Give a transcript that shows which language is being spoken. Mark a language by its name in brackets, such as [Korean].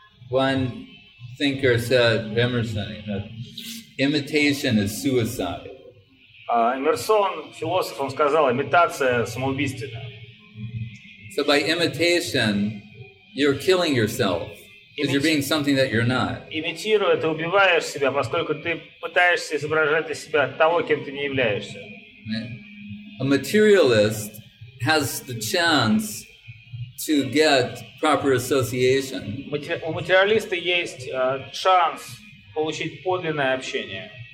[English] One thinker said, Emerson, that imitation is suicide. [Russian] Emerson, philosopher, он сказал, имитация самоубийственна. [English] So by imitation, you're killing yourself, because you're being something that you're not. [Russian] Имитируя, ты убиваешь себя, поскольку ты пытаешься изображать из себя того, кем ты не являешься. [English] A materialist has the chance to get proper association. [Russian] У материалиста есть шанс получить подлинное общение.